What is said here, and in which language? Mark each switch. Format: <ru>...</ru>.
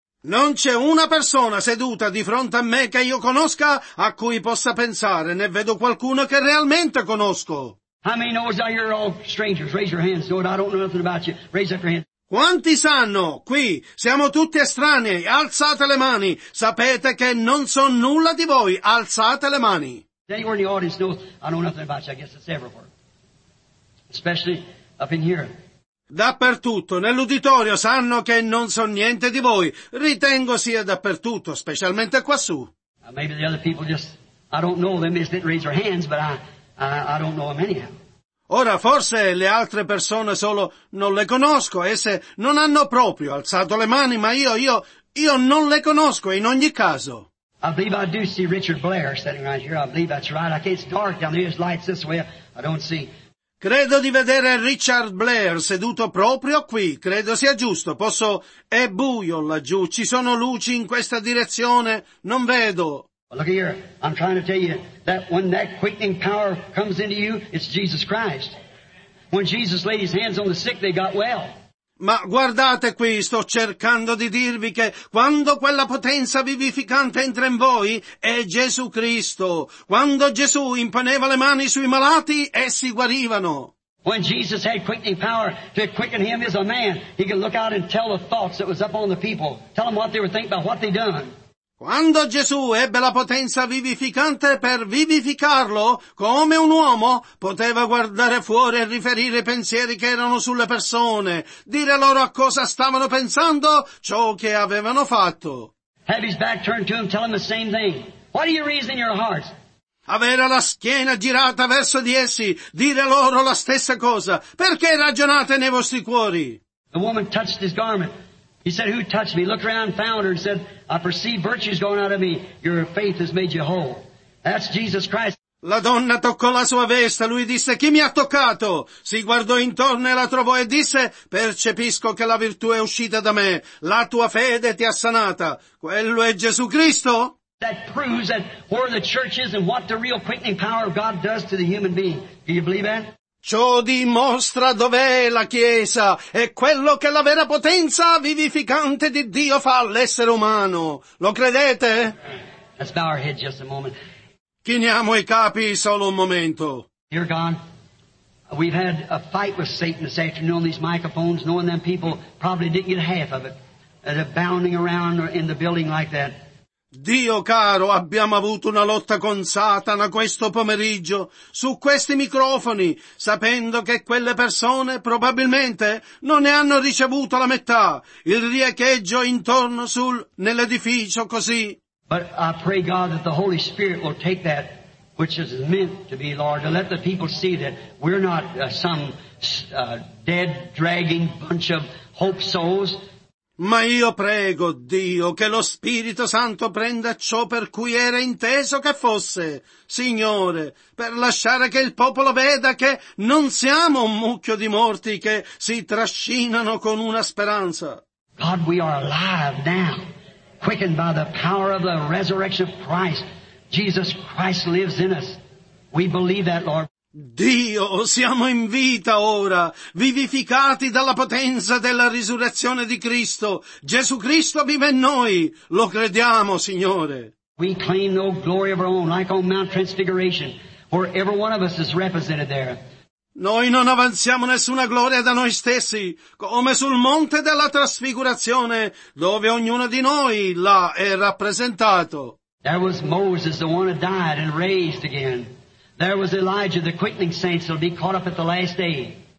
<it>Non c'è una persona seduta di fronte a me che io conosca a cui possa pensare, né vedo qualcuno che realmente conosco.</it> <en>How many knows that you're all strangers? Raise your hands, Lord, I don't know nothing about you. Raise up your hands.</en> <it>Quanti sanno, qui, siamo tutti estranei, alzate le mani, sapete che non so nulla di voi, alzate le mani.</it> <en>Anywhere in the audience knows, I know nothing about you, I guess it's everywhere. Especially up in here.</en> <it>Dappertutto, nell'uditorio, sanno che non so niente di voi, ritengo sia dappertutto, specialmente quassù.</it> <en>Maybe the other people just, I don't know them, they just didn't raise their hands, but I don't know them anyhow.</en> <it>Ora, forse le altre persone solo non le conosco, esse non hanno proprio alzato le mani, ma io non le conosco in ogni caso.</it> <en>I believe I do see Richard Blair sitting right here, I believe that's right, I can't, it's dark down there, there's lights this way, I don't see.</en> <it>Credo di vedere Richard Blair seduto proprio qui, credo sia giusto, posso, è buio laggiù, ci sono luci in questa direzione, non vedo.</it> <en>Well, look here, I'm trying to tell you that when that quickening power comes into you, it's Jesus Christ. When Jesus laid his hands on the sick, they got well.</en> <it>Ma guardate qui, sto cercando di dirvi che quando quella potenza vivificante entra in voi, è Gesù Cristo. Quando Gesù imponeva le mani sui malati, essi guarivano.</it> <en>When Jesus had quickening power to quicken him as a man, he could look out and tell the thoughts that was up on the people. Tell them what they were thinking about what they done.</en> <it>Quando Gesù ebbe la potenza vivificante per vivificarlo, come un uomo, poteva guardare fuori e riferire i pensieri che erano sulle persone, dire loro a cosa stavano pensando, ciò che avevano fatto.</it> <en>Have his back turned to him, tell him the same thing. What are you reasoning in your heart?</en> <it>Avere la schiena girata verso di essi, dire loro la stessa cosa. Perché ragionate nei vostri cuori?</it> <en>The woman touched his garment. He said, who touched me? Looked around and found her and said, I perceive virtues going out of me. Your faith has made you whole. That's Jesus Christ.</en> <it>La donna toccò la sua veste. Lui disse, chi mi ha toccato? Si guardò intorno e la trovò e disse, percepisco che la virtù è uscita da me. La tua fede ti ha sanata. Quello è Gesù Cristo.</it> <en>That proves that where the church is and what the real quickening power of God does to the human being. Do you believe that?</en> <it>Ciò dimostra dov'è la Chiesa e quello che la vera potenza vivificante di Dio fa all'essere umano. Lo credete?</it> <en>Let's bow our head just a moment.</en> <it>Chiniamo i capi solo un momento.</it> <en>Dear God, we've had a fight with Satan this afternoon on these microphones, knowing them people probably didn't get half of it. They're bounding around in the building like that.</en> <it>Dio caro, abbiamo avuto una lotta con Satana questo pomeriggio, su questi microfoni, sapendo che quelle persone probabilmente non ne hanno ricevuto la metà, il riecheggio intorno sul nell'edificio così.</it> <en>But I pray God that the Holy Spirit will take that which is meant to be, Lord, to let the people see that we're not some dead dragging bunch of hope souls.</en> <it>Ma io prego, Dio, che lo Spirito Santo prenda ciò per cui era inteso che fosse, Signore, per lasciare che il popolo veda che non siamo un mucchio di morti che si trascinano con una speranza.</it> <en>God, we are alive now, quickened by the power of the resurrection of Christ. Jesus Christ lives in us. We believe that, Lord.</en> <it>Dio, siamo in vita ora, vivificati dalla potenza della risurrezione di Cristo. Gesù Cristo vive in noi, lo crediamo, Signore.</it> <en>We claim no glory of our own, like on Mount Transfiguration, where every one of us is represented there.</en> <it>Noi non avanziamo nessuna gloria da noi stessi, come sul Monte della Trasfigurazione, dove ognuno di noi là è rappresentato.</it> <en>There was Moses, the one who died and raised again. There was Elijah, the quickening saints, who'll be caught up at the last day.</en>